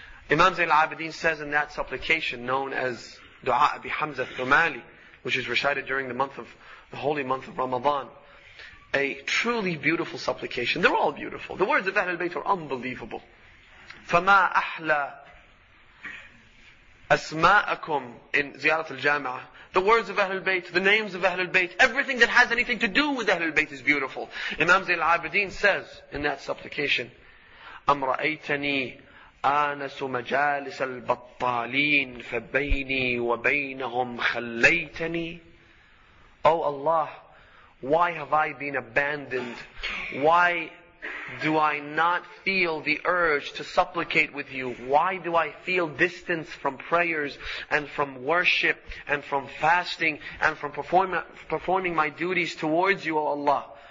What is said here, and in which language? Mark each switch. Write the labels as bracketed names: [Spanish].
[English] Imam Zain al-Abidin says in that supplication, known as Dua Abi Hamza Thumali, which is recited during the holy month of Ramadan, a truly beautiful supplication. They're all beautiful. The words of Ahlul Bayt are unbelievable. [Arabic] فَمَا أَحْلَى أَسْمَاءَكُمْ [English] in Ziyarat al-Jama'ah. The words of Ahlul Bayt, the names of Ahlul Bayt, everything that has anything to do with Ahlul Bayt is beautiful. Imam Zain al-Abidin says in that supplication, [Arabic] أَمْ رَأَيْتَنِي آنَسُ مَجَالِسَ الْبَطَّالِينَ فَبَيْنِي وَبَيْنَهُمْ خَلَّيْتَنِي. [English] Oh Allah, why have I been abandoned? Why do I not feel the urge to supplicate with you? Why do I feel distance from prayers and from worship and from fasting and from performing my duties towards you, O Allah?